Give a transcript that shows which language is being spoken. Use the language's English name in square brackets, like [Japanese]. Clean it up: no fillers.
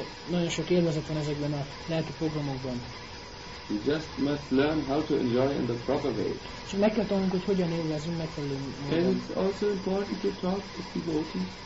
[Hungarian] Nagyon sok élvezet van ezekben a lelki programokban. [English] You just must learn how to enjoy in the proper way. [Hungarian] És meg kell tanulnunk, hogy hogyan élvezünk megfelelő módon. [English] And it's also important to talk to devotees.